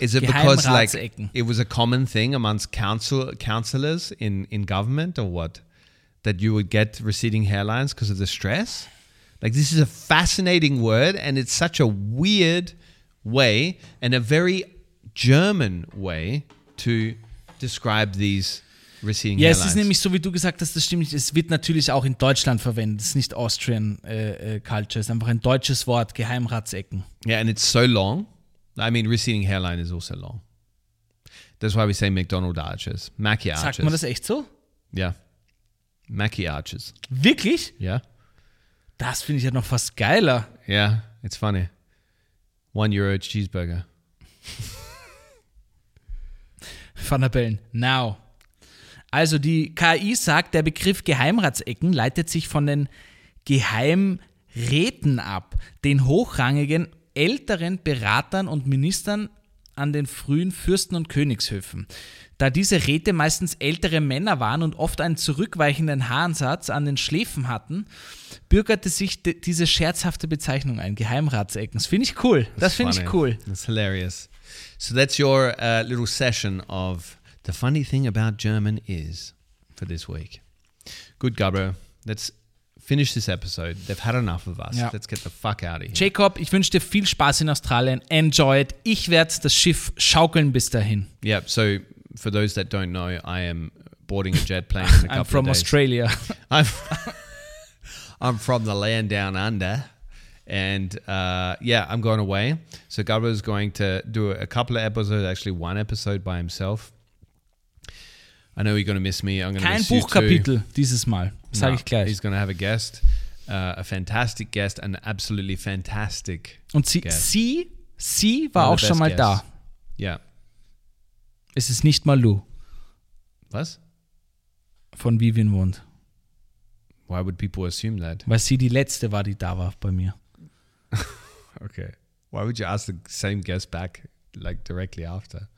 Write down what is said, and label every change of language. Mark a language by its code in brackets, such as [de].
[en] Is it because like it was a common thing amongst counselors in government or what? That you would get receding hairlines because of the stress? Like this is a fascinating word and it's such a weird way and a very German way to describe these receding hairlines. [de] Ja, es ist nämlich so, wie du gesagt hast, das stimmt. Es wird natürlich auch in Deutschland verwendet. Es ist nicht [en] Austrian culture. [de] Es ist einfach ein deutsches Wort, Geheimratsecken. [en] Yeah, and it's so long. I mean, receding hairline is also long. That's why we say McDonald arches. Mackie arches. [de] Sagt man das echt so? [en] Yeah. Mackie arches. [de] Wirklich? [en] Yeah. [de] Das finde ich ja noch fast geiler. [en] Yeah, it's funny. 1 Euro cheeseburger. Van der Bellen, now. [de] Also die KI sagt, der Begriff Geheimratsecken leitet sich von den Geheimräten ab, den hochrangigen älteren Beratern und Ministern an den frühen Fürsten- und Königshöfen. Da diese Räte meistens ältere Männer waren und oft einen zurückweichenden Haarensatz an den Schläfen hatten, bürgerte sich diese scherzhafte Bezeichnung ein, Geheimratsecken. Das finde ich cool. Das finde ich cool. [en] That's hilarious. So that's your little session of the funny thing about German is for this week. Good, Gabriel. Let's finish this episode. They've had enough of us. Yeah. Let's get the fuck out of here. [de] Jacob, ich wünsche dir viel Spaß in Australien. [en] Enjoy it. [de] Ich werde das Schiff schaukeln bis dahin. [en] Yeah, so for those that don't know, I am boarding a jet plane in a couple of days. I'm from Australia. I'm from the land down under. And I'm going away. So Gabriel is going to do a couple of episodes, actually one episode by himself. I know you're going to miss me. I'm going to miss you too. [de] Kein Buchkapitel dieses Mal. Sag ich gleich. [en] He's going to have a guest, a fantastic guest, an absolutely fantastic [de] Und sie, guest. Sie war auch schon mal da. [en] Yeah. [de] Es ist nicht mal Lou. Was? Von Vivian Wundt. [en] Why would people assume that? [de] Weil sie die letzte war, die da war bei mir. [en] Okay. Why would you ask the same guest back, like directly after?